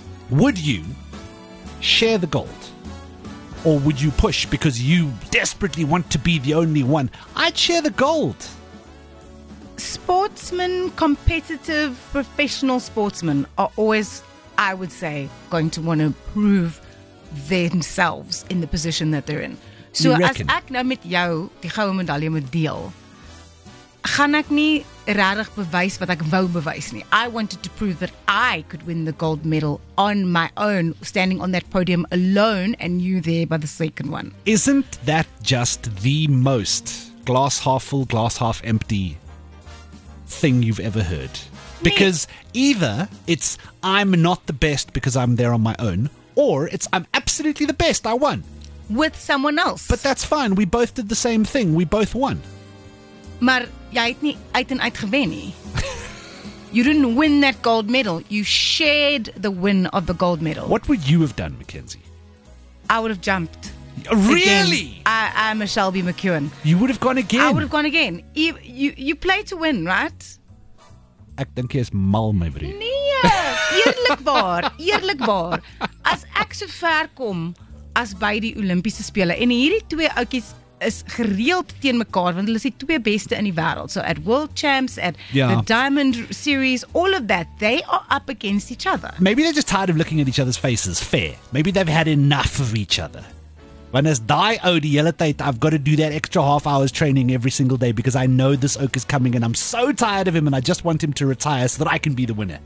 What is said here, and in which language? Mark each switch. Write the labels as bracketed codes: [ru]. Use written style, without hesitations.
[en] Would you share the gold? Or would you push because you desperately want to be the only one? I'd share the gold. Sportsmen, competitive, professional sportsmen are always, I would say, going to want to prove themselves in the position that they're in. [af] So as ek nou met jou die goue medalje moet deel, gaan ek nie regtig bewys wat ek wou bewys nie. [en] I wanted to prove that I could win the gold medal on my own, standing on that podium alone and you there by the second one. Isn't that just the most glass half full, glass half empty thing you've ever heard? Because either it's I'm not the best because I'm there on my own, or it's I'm absolutely the best, I won. With someone else. But that's fine, we both did the same thing, we both won. [af] Maar jy het nie uit en uit gewen nie. [en] You didn't win that gold medal, you shared the win of the gold medal. What would you have done, Mackenzie? I would have jumped. Really? I'm a Shelby McEwen. You would have gone again? I would have gone again. You play to win, right? [af] Ek dink jy is mal, my vriend. Nee, eerlikbaar. As ek so ver kom as by die Olimpiese Spele, en hierdie twee oudjies is gereeld teen mekaar, want hulle is die twee beste in die wêreld. [en] So at World Champs, at the Diamond Series, all of that, they are up against each other. Maybe they're just tired of looking at each other's faces, fair. Maybe they've had enough of each other. When it's [af] die oh, die hele tyd, [en] I've got to do that extra half hour's training every single day because I know this oak is coming and I'm so tired of him and I just want him to retire so that I can be the winner.